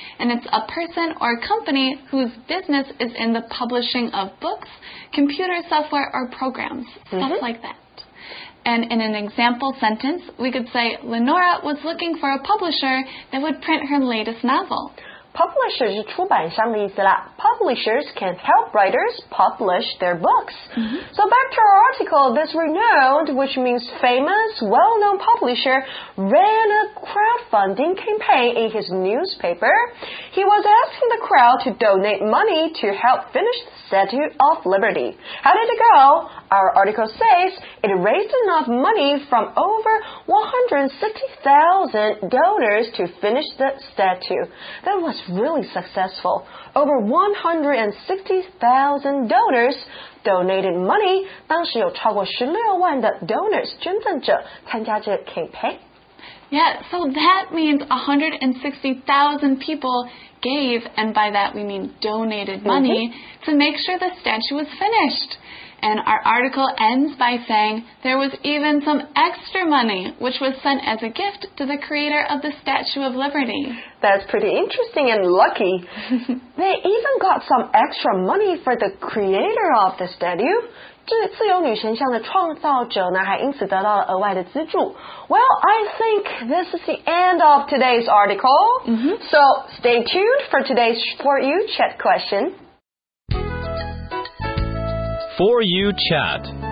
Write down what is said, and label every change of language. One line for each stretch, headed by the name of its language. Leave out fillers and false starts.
English: And it's a person or company whose business is in the publishing of books, computer software, or programs, stuff like that. And in an example sentence, we could say, Lenora was looking for a publisher that would print her latest novel. Publisher
Chinese: 是出版商的意思啦。
English: Publishers can help writers publish their books.、 Mm-hmm. So back to our article, this renowned, which means famous, well-known publisher, ran a crowdfunding campaign in his newspaper. He was asking the crowd to donate money to help finish the Statue of Liberty. How did it go? Our article says it raised enough money from over 160,000 donors to finish the statue. That was really successful. Over 160,000 donors donated money.
Chinese: 当时有超过16万的 donors 捐赠者参加这个 campaign.
English: Yeah, so that means 160,000 people gave, and by that we mean donated money,、mm-hmm. to make sure the statue was finished. And our article ends by saying there was even some extra money, which was sent as a gift to the creator of the Statue of Liberty. That's pretty interesting and lucky. They even got some extra money for the creator of the statue.
Chinese: 这自由女神像的创造者呢，还因此得到了额外的资助。
English: Well, I think this is the end of today's article. Mm-hmm. So stay tuned for today's For You Chat question. For You Chat.